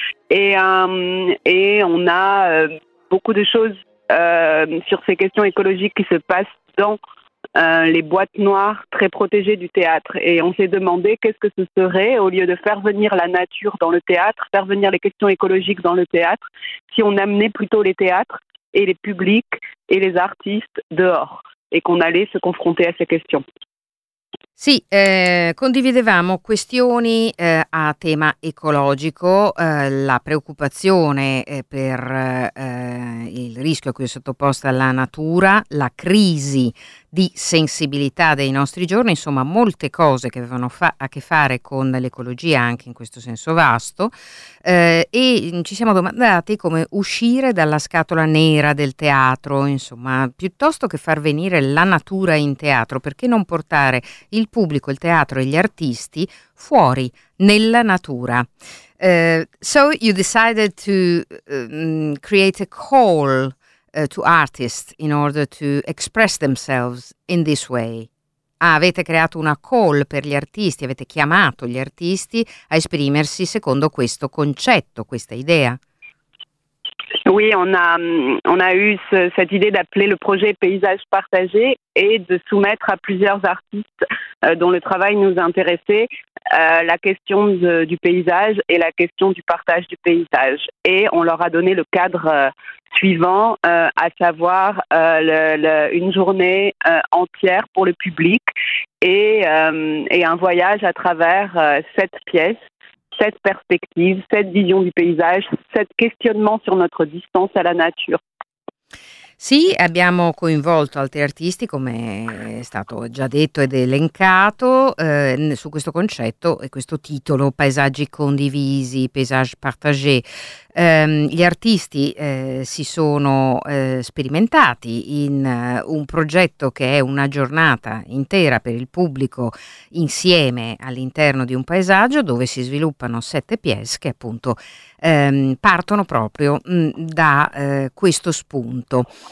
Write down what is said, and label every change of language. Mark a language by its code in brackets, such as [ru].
[fr] Et on a beaucoup de choses sur ces questions écologiques qui se passent dans les boîtes noires très protégées du théâtre. Et on s'est demandé qu'est-ce que ce serait, au lieu de faire venir la nature dans le théâtre, faire venir les questions écologiques dans le théâtre, si on amenait plutôt les théâtres et les publics et les artistes dehors et qu'on allait se confronter à ces questions. [it] Sì, condividevamo questioni a tema ecologico, la preoccupazione per il rischio a cui è sottoposta la natura, la crisi di sensibilità dei nostri giorni, insomma molte cose che avevano a che fare con l'ecologia anche in questo senso vasto, e ci siamo domandati come uscire dalla scatola nera del teatro, insomma piuttosto che far venire la natura in teatro, perché non portare il pubblico, il teatro e gli artisti fuori nella natura. [en] So you decided to create a call to artists in order to express themselves in this way. [it] Ah, avete creato una call per gli artisti, avete chiamato gli artisti a esprimersi secondo questo concetto, questa idea. [fr] Oui, on a eu cette idée d'appeler le projet Paysage Partagé et de soumettre à plusieurs artistes dont le travail nous intéressait la question du paysage et la question du partage du paysage. Et on leur a donné le cadre suivant, à savoir une journée entière pour le public et un voyage à travers sept pièces. Cette perspective, cette vision du paesaggio, questo questionnement sur notre distance à la nature. [it] Sì, abbiamo coinvolto altri artisti, come è stato già detto ed elencato, su questo concetto e questo titolo, Paesaggi condivisi, Paysage partagé. Gli artisti si sono sperimentati in un progetto che è una giornata intera per il pubblico insieme all'interno di un paesaggio dove si sviluppano sette pièce che appunto partono proprio da questo spunto.